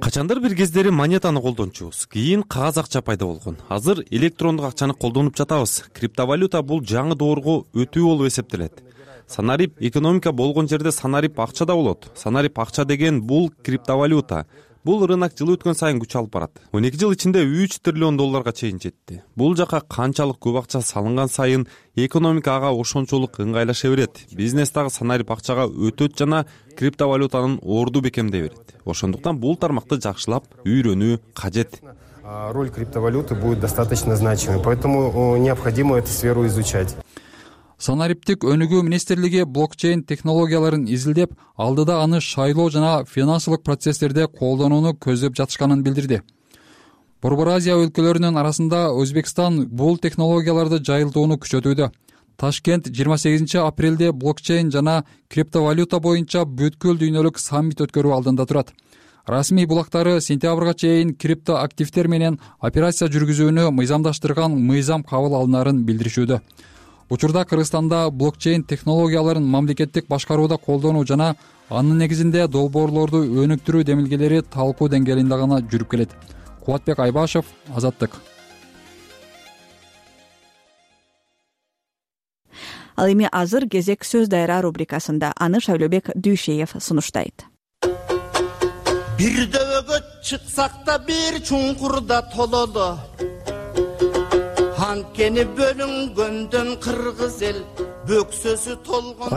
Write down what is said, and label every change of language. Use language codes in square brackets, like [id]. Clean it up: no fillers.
[ky] Качандыр бир кездери монетаны колдончубуз, кийин кагаз акча пайда болгон. Азыр электрондук акчаны колдонуп жатабыз. Криптовалюта бул жаңы доорго өтүү болуп эсептелет. Санарип экономика болгон жерде санарип акча да болот. Санарип акча деген бул криптовалюта. Бул рынок жыл өткөн сайын күч алып барат. 12 жыл ичинде 3 триллион долларга чейин жетти. Бул жака канчалык көп акча салынган сайын экономика ага ошончолук ыңгайлаша берет. Бизнес дагы санарип акчага өтөт жана криптовалютанын орду бекемдей берет. Ошондуктан бул тармакты жакшылап үйрөнүү кажет. [ru] Роль криптовалюты будет достаточно значимой, поэтому необходимо эту сферу изучать. [ky] Санариптик өнүгүү министрлиги блокчейн технологияларын изилдеп, алдыда аны шайлоо жана финансылык процесстерде колдонууну көздөп жатышканын билдирди. Борбор Азия өлкөлөрүнүн арасында Өзбекстан бул технологияларды жайылтууну күчөтүүдө. Ташкент 28 апрелде блокчейн жана криптовалюта боюнча бүткүл дүйнөлүк саммит өткөрүү алдында турат. Расмий булактары сентябрга чейин криптоактивтер менен операция жүргүзүүнү мыйзамдаштырган мыйзам кабыл алынарын билдиришүүдө. Учурда Кыргызстанда блокчейн технологияларын мамлекеттик башкарууда колдонуу жана анын негизинде долбоорлорду өнүктүрүү демилгелери талкуу деңгээлинде гана жүрүп келет. Кубатбек Айбашев, Азаттык. Ал эми азыр кезек сөз даяра рубрикасында аны Шайлобек Дүйшеев сунуштайт. Бир дөөгө чыксак да бир чуңкурда тололо. Анткени бөлүнгөндөн кыргыз эл бөксөсү толгон.